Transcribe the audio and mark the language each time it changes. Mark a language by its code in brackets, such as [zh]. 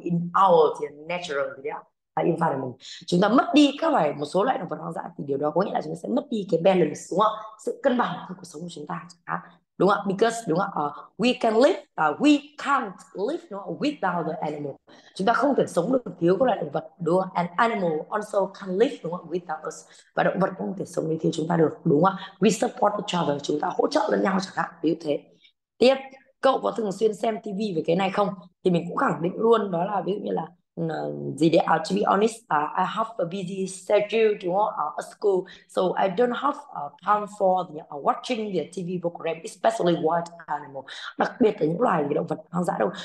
[en] In our natural environment. [vi] Chúng ta mất đi các loài, một số loại động vật hoang dã thì điều đó có nghĩa là chúng ta sẽ mất đi cái balance, đúng không? Sự cân bằng của cuộc sống của chúng ta, đúng không? [en] Because [vi] đúng không? [en] We can't live without the animal. [vi] Chúng ta không thể sống được thiếu các loại động vật, đúng không? [en] And animal also can't live, [vi] đúng không, [en] without us. [vi] Và động vật cũng không thể sống như thiếu chúng ta được, đúng không? [en] We support each other, [vi] chúng ta hỗ trợ lẫn nhau chẳng hạn, ví dụ thế. Tiếp, cậu có thường xuyên xem TV về cái này không? Thì mình cũng khẳng định luôn đó là ví dụ như là gì đấy, [en] to be honest, I have a busy schedule, to at school, so I don't have time for watching the TV program, especially wild animal, [vi] đặc biệt là những loài động vật hoang dã đâu.